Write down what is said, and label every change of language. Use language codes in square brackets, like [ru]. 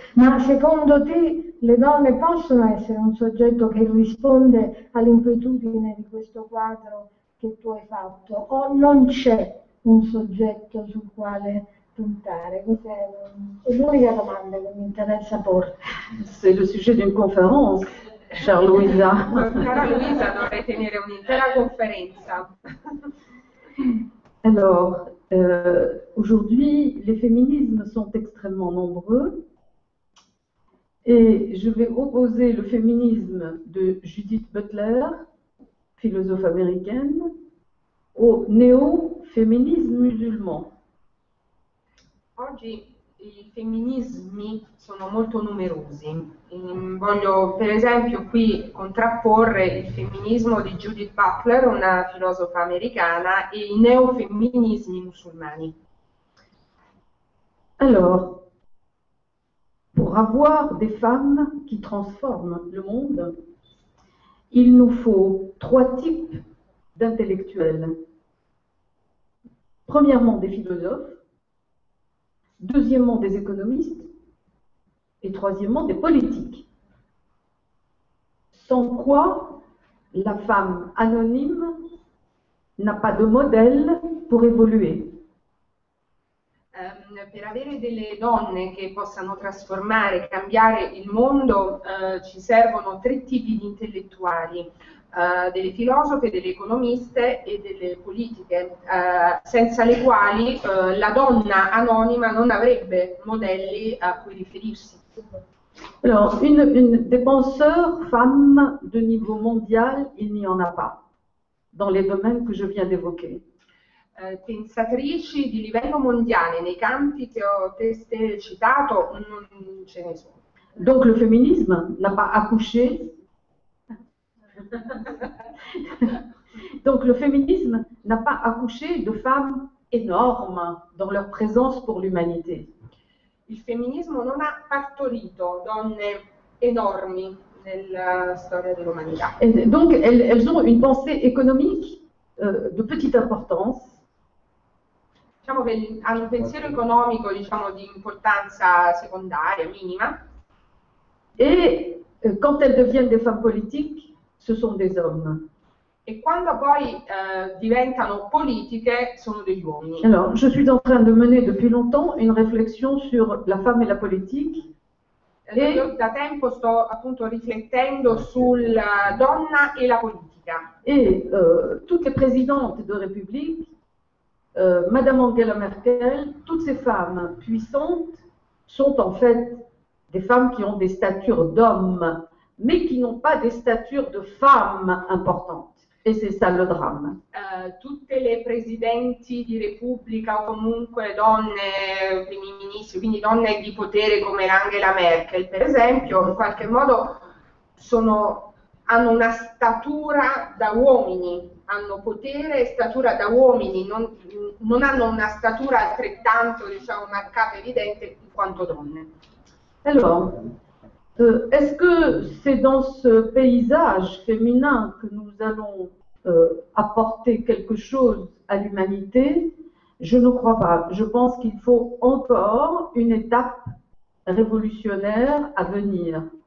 [it] Ma secondo te le donne possono essere un soggetto che risponde all'inquietudine di questo quadro che tu hai fatto? O non c'è un soggetto sul quale puntare? Questa è l'unica domanda che mi interessa porre. [fr] C'est le sujet d'une conférence, chère Louisa. [it] Cara Luisa, dovrei tenere un'intera conferenza. [fr] Alors, aujourd'hui, les féminismes sont extrêmement nombreux et je vais opposer le féminisme de Judith Butler, philosophe américaine, au néo-féminisme musulman. [it] Oggi femminismi sono molto numerosi. Voglio per esempio qui contrapporre il femminismo di Judith Butler, una filosofa americana, e i neofemminismi musulmani. [fr] Alors, pour avoir des femmes qui transforment le monde, il nous faut trois types d'intellectuels. Premièrement, des philosophes, deuxièmement, des économistes et troisièmement, des politiques. Sans quoi, la femme anonyme n'a pas de modèle pour évoluer. [it] Per avere delle donne che possano trasformare, cambiare il mondo, ci servono tre tipi di intellettuali, delle filosofe, delle economiste e delle politiche, senza le quali, la donna anonima non avrebbe modelli a cui riferirsi. [fr] Alors, des penseurs femmes de niveau mondial, il n'y en a pas dans les domaines que je viens d'évoquer. [it] Pensatrici di livello mondiale nei campi che ho testé citato, non ce ne sono. [fr] Donc, le féminisme n'a pas accouché. Donc, le féminisme n'a pas accouché de femmes énormes dans leur présence pour l'humanité. [it] Il femminismo non ha partorito donne enormi nella storia dell'umanità. [fr] Et donc, elles ont une pensée économique de petite importance. [it] Diciamo che hanno un pensiero economico, diciamo, di importanza secondaria, minima. [fr] Et quand elles deviennent des femmes politiques, ce sono des hommes. [it] E quando poi diventano politiche, sono degli uomini. [fr] Alors, je suis en train de mener depuis longtemps une réflexion sur la femme et la politique. [it] Io da tempo sto appunto riflettendo sulla donna e la politica. [fr] Toutes les présidentes de République, Madame Angela Merkel, toutes ces femmes puissantes sont en fait des femmes qui ont des statures d'hommes, mais qui n'ont pas des statures de femmes importantes. Et c'est ça le drame. [it] Tutte le presidenti di Repubblica o comunque donne, primi ministri, quindi donne di potere come Angela Merkel, per esempio, in qualche modo hanno una statura da uomini, hanno potere e statura da uomini, non hanno una statura altrettanto, diciamo, marcata evidente quanto donne. [fr] Alors, est-ce que c'est dans ce paysage féminin que nous allons apporter quelque chose à l'humanité? Je ne crois pas. Je pense qu'il faut encore une étape révolutionnaire à venir.